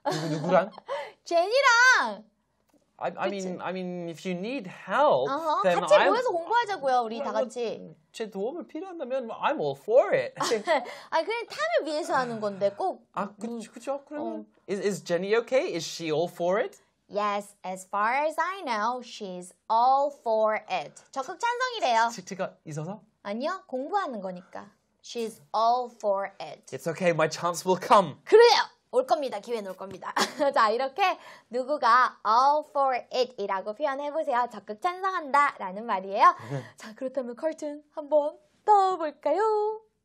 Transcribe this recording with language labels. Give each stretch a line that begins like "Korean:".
Korean: 누구랑? 제니랑.
English: I mean, if you need help, then
Korean: 같이 I'm, 모여서 공부하자고요, 우리 다 같이. 제 도움을 필요한다면,
English: I'm all for it.
Korean: 아, 그냥 탐을 위해서 하는 건데, 꼭. 아, 그쵸, 그러면.
English: Is Jenny okay? Is she all for it? Yes, as far as I know, she's all for it.
Korean: 적극 찬성이래요. 티티가 있어서? 아니요, 공부하는 거니까.
English: She's all for it. It's okay, my chance will come.
Korean: 그래요! 올 겁니다. 기회는 올 겁니다. 자, 이렇게 누구가 all for it이라고 표현해보세요. 적극 찬성한다 라는 말이에요. 자, 그렇다면 커튼 한번 떠볼까요?